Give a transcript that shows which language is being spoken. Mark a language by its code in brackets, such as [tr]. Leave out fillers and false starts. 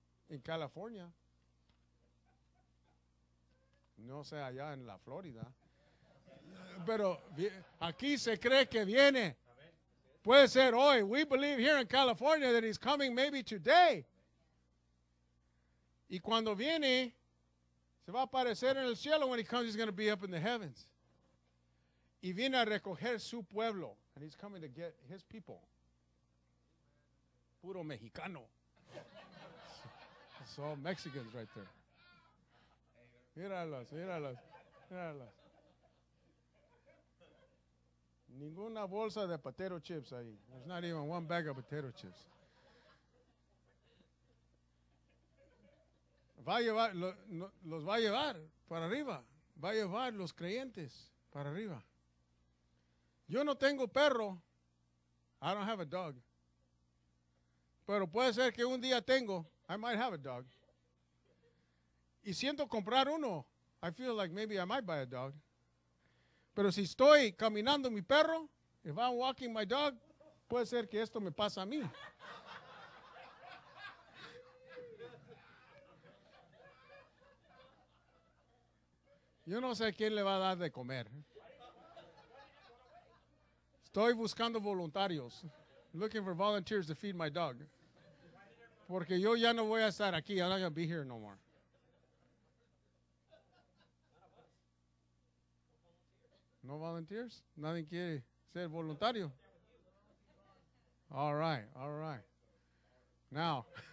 [en] In California. [es] No sé, allá en la Florida. Pero aquí se cree que viene. Puede ser hoy. [en] We believe here in California that he's coming maybe today. [es] Y cuando viene, se va a aparecer en el cielo. [en] When he comes, he's going to be up in the heavens. [es] Y viene a recoger su pueblo. [en] And he's coming to get his people. [es] Puro mexicano. [en] It's all Mexicans right there. [es] Míralos, míralos, míralos. Ninguna bolsa de potato chips ahí. [en] There's not even one bag of potato chips. [es] Va a llevar, los va a llevar para arriba. Va a llevar los creyentes para arriba. Yo no tengo perro. [en] I don't have a dog. [es] Pero puede ser que un día tengo. [en] I might have a dog. [es] Y siento comprar uno. [en] I feel like maybe I might buy a dog. [es] Pero si estoy caminando mi perro, [en] if I'm walking my dog, [es] puede ser que esto me pasa a mí. Yo no sé quién le va a dar de comer. Estoy buscando voluntarios. [en] Looking for volunteers to feed my dog. [es] Porque yo ya no voy a estar aquí. [en] I'm not going to be here no more. No volunteers? [es] Nadie quiere ser voluntario. [en] All right, all right. Now.